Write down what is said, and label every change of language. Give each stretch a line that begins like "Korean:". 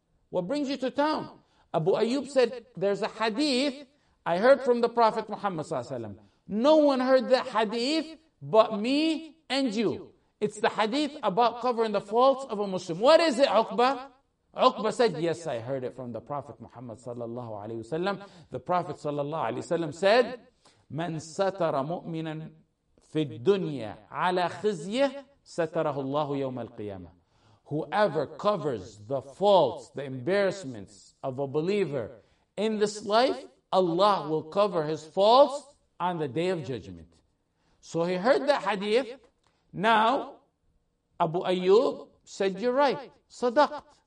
English: What brings you to town? Abu Ayyub said, there's a hadith I heard from the Prophet Muhammad sallallahu alaihi wasallam. No one heard that hadith but me and you. It's the hadith about covering the faults of a Muslim. What is it, Uqba? Uqba said, yes, I heard it from the Prophet Muhammad sallallahu alaihi wasallam. The Prophet sallallahu alaihi wasallam said,
Arabic: من ستر مؤمنا في الدنيا على خزيه ستره الله يوم القيامة.
English: Whoever covers the faults, the embarrassments of a believer in this life, Allah will cover his faults on the day of judgment. So he heard that hadith. Now, Abu Ayyub said, you're right. Sadaqt.